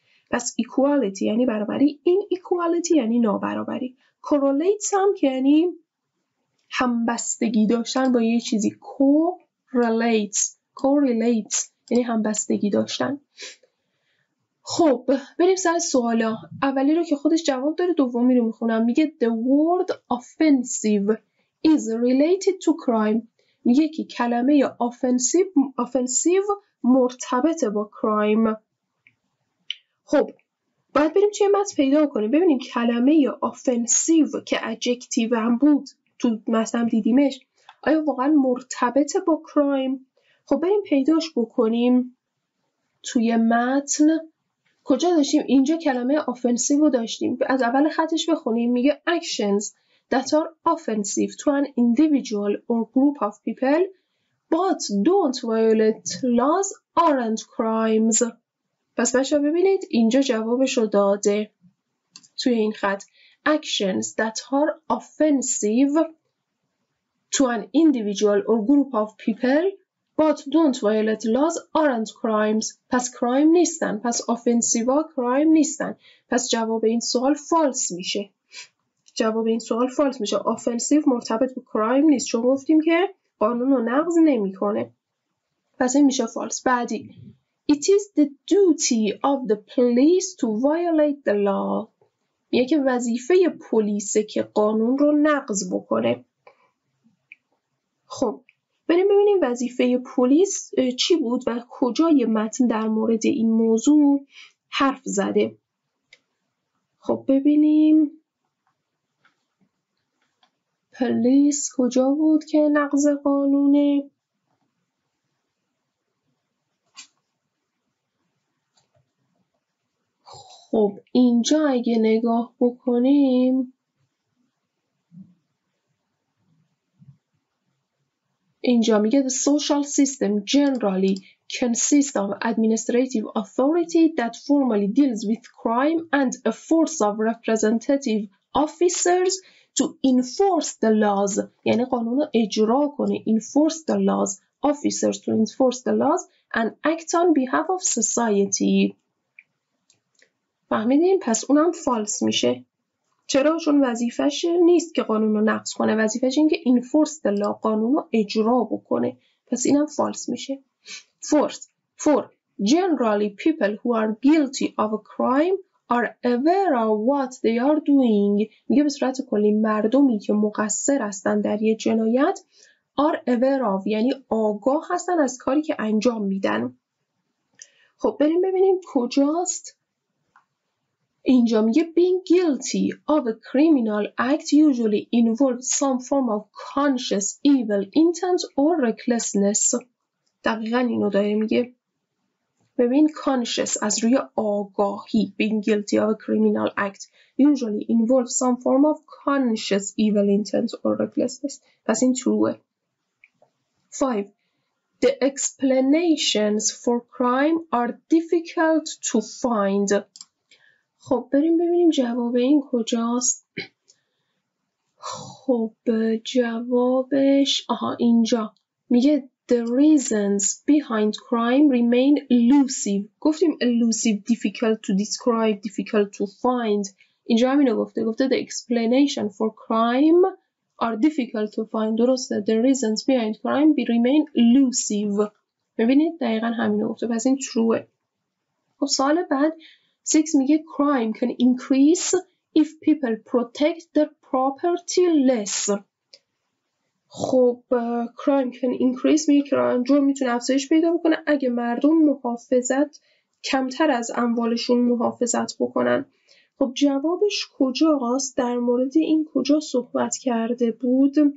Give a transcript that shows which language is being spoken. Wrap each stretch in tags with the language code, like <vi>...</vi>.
<fa>پس equality یعنی برابری. Inequality یعنی نابرابری. Correlates هم که یعنی همبستگی داشتن با یه چیزی.</fa> <en>Correlates.</en> <fa>Correlates یعنی همبستگی داشتن. خب بریم سر سوالا. اولی رو که خودش جواب داره دومی رو میخونم. میگه</fa> <en>the word offensive is related to crime.</en> <fa>میگه که کلمه offensive مرتبطه با crime. خب باید بریم چه متن پیدا کنیم. ببینیم کلمه offensive که adjective هم بود تو مثلا دیدیمش آیا واقعا مرتبطه با crime. خب بریم پیداش بکنیم توی متن. کجا داشتیم؟ اینجا کلمه offensive رو داشتیم. از اول خطش بخونیم. میگه</fa> <en>actions that are offensive to an individual or group of people but don't violate laws aren't crimes.</en> <fa>پس بچه ها ببینید اینجا جوابش رو داده توی این خط.</fa> <en>Actions that are offensive to an individual or group of people but don't violate laws aren't crimes.</en> <fa>پس crime نیستن. پس offensive ها crime نیستن. پس جواب این سوال false میشه. جواب این سوال false میشه. Offensive مرتبط با crime نیست. چون گفتیم که قانون رو نقض نمی کنه. پس این میشه false. بعدی.</fa> <en>It is the duty of the police to violate the law.</en> <fa>یکی وظیفه پلیسه که قانون رو نقض بکنه. خب. بریم ببینیم وظیفه پلیس چی بود و کجای متن در مورد این موضوع حرف زده. خب ببینیم پلیس کجا بود که نقض قانونه؟ خب اینجا اگه نگاه بکنیم اینجا میگه</fa> <en>the social system generally consists of administrative authority that formally deals with crime and a force of representative officers to enforce the laws.</en> <fa>یعنی قانون رو اجرا کنه.</fa> <en>Enforce the laws. Officers to enforce the laws and act on behalf of society.</en> <fa>فهمیدین؟ پس اونم فالس میشه. چرا؟ چون وظیفه‌ش نیست که قانون رو نقض کنه. وظیفه‌ش این که</fa> <en>enforce the law</en> <fa>قانون رو اجرا بکنه. پس اینم فالس میشه. Four.</fa> <en>Generally people who are guilty of a crime are aware of what they are doing.</en> <fa>میگه به صورت کلی مردمی که مقصر هستن در یه جنایت</fa> <en>are aware of</en> <fa>یعنی آگاه هستن از کاری که انجام میدن. خب بریم ببینیم کجاست؟ اینجا میگه</fa> <en>being guilty of a criminal act usually involves some form of conscious evil intent or recklessness.</en> <fa>دقیقا اینو داره میگه. ببین conscious از روی آگاهی.</fa> <en>being guilty of a criminal act usually involves some form of conscious evil intent or recklessness.</en> <fa>پس این</fa> <en>true. 5. The explanations for crime are difficult to find.</en> <fa>خب بریم ببینیم جواب این کجاست. خب جوابش آها اینجا میگه</fa> <en>the reasons behind crime remain elusive.</en> <fa>گفتیم</fa> <en>elusive, difficult to describe, difficult to find.</en> <fa>اینجا همینو گفته</fa> <en>the explanation for crime are difficult to find.</en> <fa>درسته</fa> <en>the reasons behind crime remain elusive.</en> <fa>ببینید دقیقا همینو گفته. پس این true. خب سال بعد 6 میگه</fa> <en>crime can increase if people protect their property less.</en> <fa>خب</fa> <en>crime can increase</en> <fa>میگه crime جرم میتونه افزایش پیدا بکنه اگه مردم محافظت کمتر از اموالشون محافظت بکنن. خب جوابش کجاست؟ در مورد این کجا صحبت کرده بود؟</fa>